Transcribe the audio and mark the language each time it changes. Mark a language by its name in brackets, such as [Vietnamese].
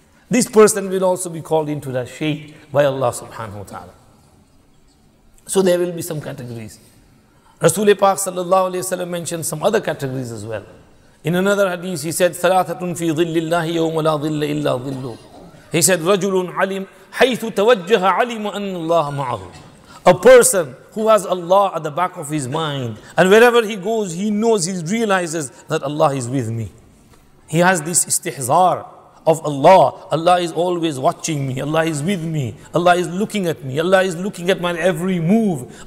[English] This person will also be called into that shade by Allah subhanahu wa ta'ala. So there will be some categories. Rasul Pak sallallahu alayhi wa sallam mentioned some other categories as well. In another hadith he said, [Arabic] ثَلَاثَةٌ فِي ظِلِّ اللَّهِ يَوْمَ لَا ظِلَّ إِلَّا ظِلُّ. [English] He said, [Arabic] رَجُلٌ عَلِمْ حَيْثُ تَوَجَّهَ عَلِمُ أَنَّ اللَّهَ مَعَهُ. [English] A person who has Allah at the back of his mind, and wherever he goes, he knows, he realizes that Allah is with me. He has this istihzar of Allah. Allah is always watching me. Allah is with me. Allah is looking at me. Allah is looking at my every move.